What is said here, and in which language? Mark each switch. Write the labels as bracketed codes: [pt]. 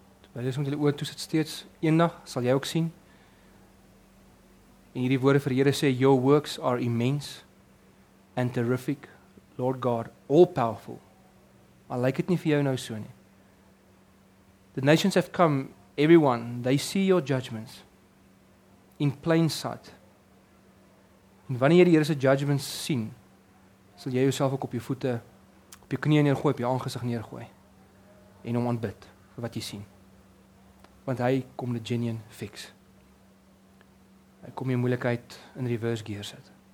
[af] Wil jy soms jou oë toesit steeds, eendag sal jy ook sien. En hierdie woorde vir die Here sê, [en] your works are immense and terrific, Lord God, all powerful. [af] Maar lyk dit nie vir jou nou so nie. [en] The nations have come, everyone, they see your judgments in plain sight. [af] En wanneer jy die Here se judgments sien, sal jy jouself ook op jou voete, op jou knieën neergooi, op jou aangesig neergooi en hom aanbid vir wat jy sien. Want hy kom die genuine fix. Hy kom jou moeilikheid in reverse gear sit.